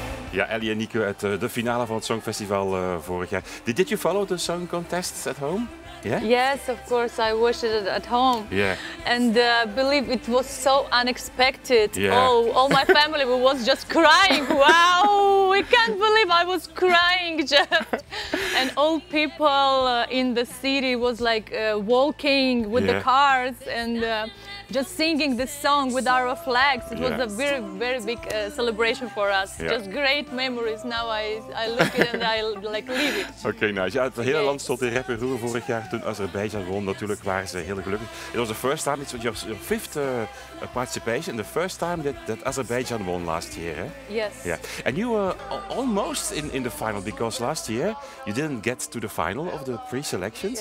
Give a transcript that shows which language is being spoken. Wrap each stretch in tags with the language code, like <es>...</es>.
<nl>Ja, Ellie en Nico uit de finale van het Songfestival vorig jaar.</nl> <en>Did you follow the song contests at home? Yeah? Yes, of course. I watched it at home. Yeah. And believe it was so unexpected. Yeah. All my family was just crying. Wow, we can't believe I was crying just. And all people in the city was like walking with the cars and just singing this song with our flags. It was a very, very big celebration for us. Yeah. Just great memories. Now I look it and I like leave it. Okay, nice.</en> <nl>Ja, het hele land stond in rep en roer vorig jaar toen Azerbeidzjan won. Natuurlijk waren ze heel gelukkig.</nl> <en>It was the first time, it was your fifth participation, the first time that Azerbeidzjan won last year. Eh? Yes. Yeah. And you were almost in the final because last year you didn't get to the final of the pre-selections.</en>